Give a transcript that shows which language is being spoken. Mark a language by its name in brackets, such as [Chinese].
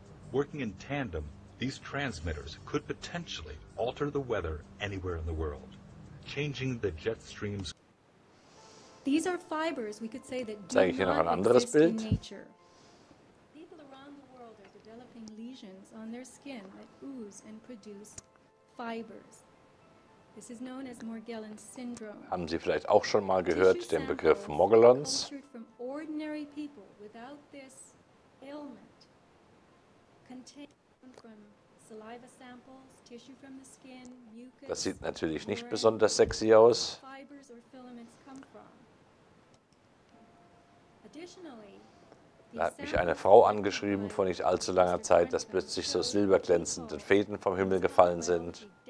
[English] Working in tandem, these transmitters could potentially alter the weather anywhere in the world, changing the jet streams. These are fibers we could say that do not exist in nature. People around the world are developing developing lesions on their skin that ooze and produce fibers. This is known as Morgellons syndrome. [German] Haben Sie vielleicht auch schon mal gehört den Begriff Morgellons? [English] Cultured from ordinary people without this ailment, contained from saliva samples, tissue from the skin, mucus. [German] Das sieht natürlich nicht besonders sexy aus. [English] Fibers or filaments come from. Additionally, [German] da hat mich eine Frau angeschrieben vor nicht allzu langer Zeit, dass plötzlich so silberglänzende Fäden vom Himmel gefallen sind.